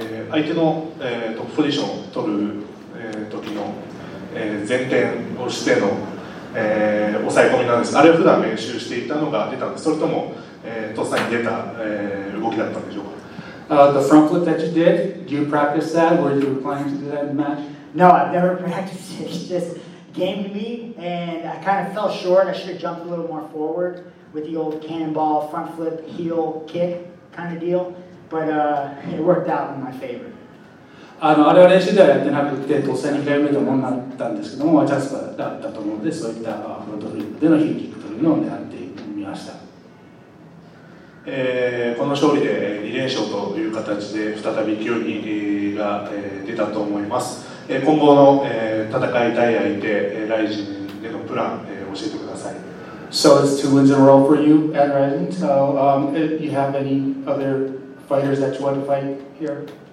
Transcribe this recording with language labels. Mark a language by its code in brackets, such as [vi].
[ja] 相手の、トップポジションを取る、時の、前転をしての、抑え込みなんですが、あれは普段練習していたのが出たんです、それとも、とっさに出た、動きだったんでしょうか。 [en] The front flip that you did, do you practice that? Were you planning to do that in the match? No, I've never practiced it. It just came to me and I kind of fell short. I should have jumped a little more forward. With the old cannonball front flip heel kick kind of deal, but it worked out in my favor. [ja] あの、あれは練習ではやってなくて、とっさに早めたものだったんですけども、チャンスだったと思うので、そういったフロントフリップでのヒールキックというのを狙ってみました。この勝利で2連勝という形で再び勢いが出たと思います。今後の戦いたい相手、ライジンでのプラン教えてください。 [en] So it's two wins in a row for you at Rising. So if you have any other fighters that you want to fight here?